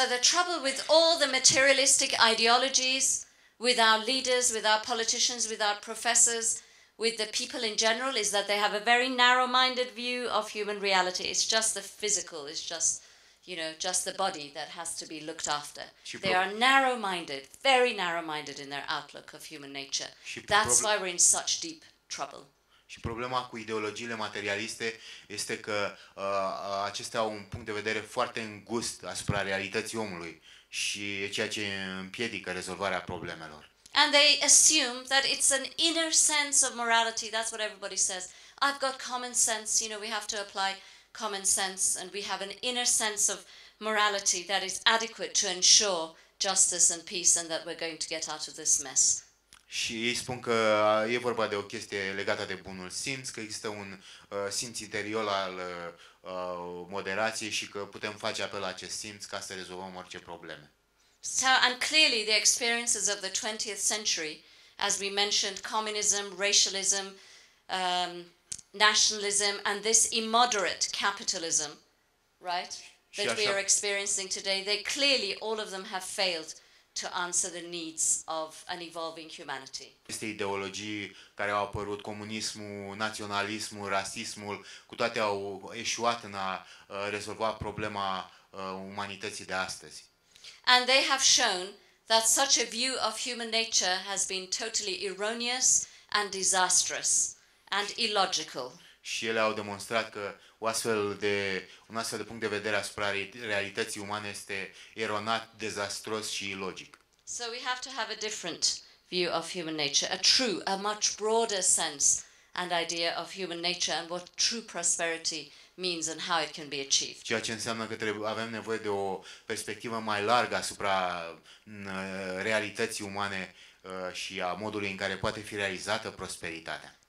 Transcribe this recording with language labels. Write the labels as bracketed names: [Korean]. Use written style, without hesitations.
[English] So the trouble with all the materialistic ideologies, with our leaders, with our politicians, with our professors, with the people in general, is that they have a very narrow-minded view of human reality. It's just the physical, it's just, you know, just the body that has to be looked after. They are narrow-minded, very narrow-minded in their outlook of human nature. That's why we're in such deep trouble. [Romanian] Și problema cu ideologiile materialiste este că acestea au un punct de vedere foarte îngust asupra realității omului și e ceea ce împiedică rezolvarea problemelor. [English] And they assume that it's an inner sense of morality, that's what everybody says. I've got common sense, you know, we have to apply common sense and we have an inner sense of morality that is adequate to ensure justice and peace and that we're going to get out of this mess. [Romanian] Și ei spun că e vorba de o chestie legată de bunul simț, că există un simț interior al moderației și că putem face apel la acest simț ca să rezolvăm orice probleme. [English] So, and clearly the experiences of the 20th century, as we mentioned, communism, racialism, nationalism and this immoderate capitalism, right, that we are experiencing today, they clearly, all of them have failed to answer the needs of an evolving humanity. [Romanian] Aceste ideologii care au apărut, comunismul, naționalismul, rasismul, cu toate au eșuat în a rezolva problema umanității de astăzi. [English] And they have shown that such a view of human nature has been totally erroneous and disastrous and illogical. [Romanian] Și ele au demonstrat că un astfel de punct de vedere asupra realității umane este eronat, dezastros și ilogic. [English] So we have to have a different view of human nature, a true, a much broader sense and idea of human nature and what true prosperity means and how it can be achieved. [Romanian] Ceea ce înseamnă că avem nevoie de o perspectivă mai largă asupra realității umane și a modului în care poate fi realizată prosperitatea.